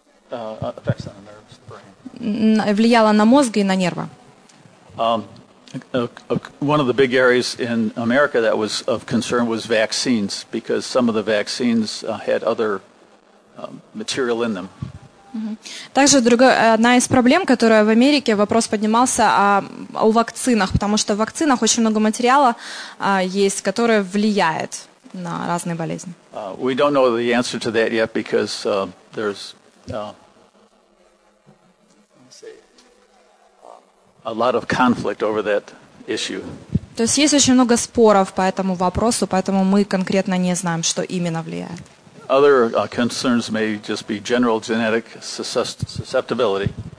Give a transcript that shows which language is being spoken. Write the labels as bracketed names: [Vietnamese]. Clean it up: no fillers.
[English] effects on the nerves, the brain. [Russian] Влияло на мозг и на нервы. [English] One of the big areas in America that was of concern was vaccines, because some of the vaccines had other material in them. [Russian] Также одна из проблем, которая в Америке, вопрос поднимался о вакцинах, потому что в вакцинах очень много материала есть, который влияет на разные болезни. [English] We don't know the answer to that yet because there's a lot of conflict over that issue. [Russian] То есть есть очень много споров по этому вопросу, поэтому мы конкретно не знаем, что именно влияет. [English] Other concerns may just be general genetic susceptibility.